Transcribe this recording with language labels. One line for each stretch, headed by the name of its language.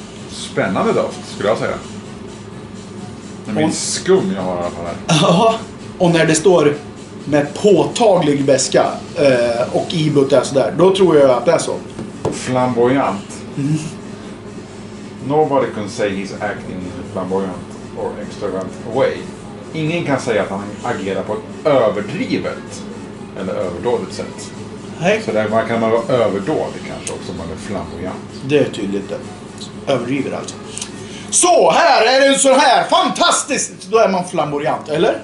Swedish: Spännande då, skulle jag säga. Det är min skum jag har i alla fall här. Ja, och när det står med påtaglig beska och IBU är sådär, då tror jag att det är så. Flamboyant.
English: Nobody can say he's acting in a flamboyant or extravagant way.
Swedish: Ingen kan säga att han agerar på ett överdrivet eller överdådigt sätt. Nej. Så där kan man vara överdådig kanske också om man är flamboyant. Det är tydligt det. Överdriver alltså. Så här är det så här, fantastiskt! Då är man flamboyant, eller?